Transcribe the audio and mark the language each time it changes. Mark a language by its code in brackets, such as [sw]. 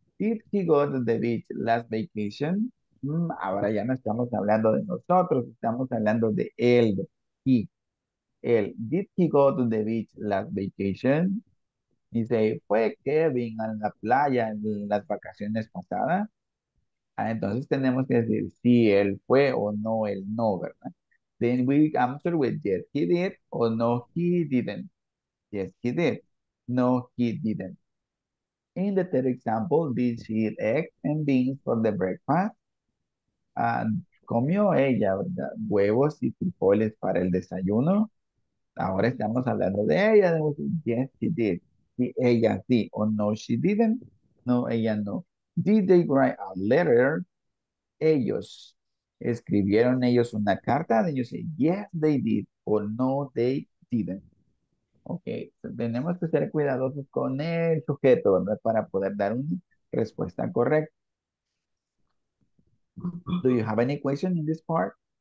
[en] Did she go to the beach last vacation? [es] Ahora ya no estamos hablando de nosotros, estamos hablando de él. Él. [en] Did he go to the beach last vacation? [es] Dice, ¿fue Kevin a la playa en las vacaciones pasadas? Ah, entonces tenemos que decir si él fue o no, él no, ¿verdad? [en] Then we answer with yes, he did, [es] o no, [en] he didn't. Yes, he did. No, he didn't. In the third example, did she eat eggs and beans for the breakfast? [es] ¿Comió ella, ¿verdad? Huevos y frijoles para el desayuno? Ahora estamos hablando de ella. [en] Yes, she did. [es] Sí, ella sí. [en] O no, she didn't. [es] No, ella no. [en] Did they write a letter? Ellos. [es] ¿Escribieron ellos una carta? [en] Then you say, yes, they did. O no, they didn't. Ok. [es] So, tenemos que ser cuidadosos con el sujeto, ¿verdad? Para poder dar una respuesta correcta. [en] Do you have any question in this part?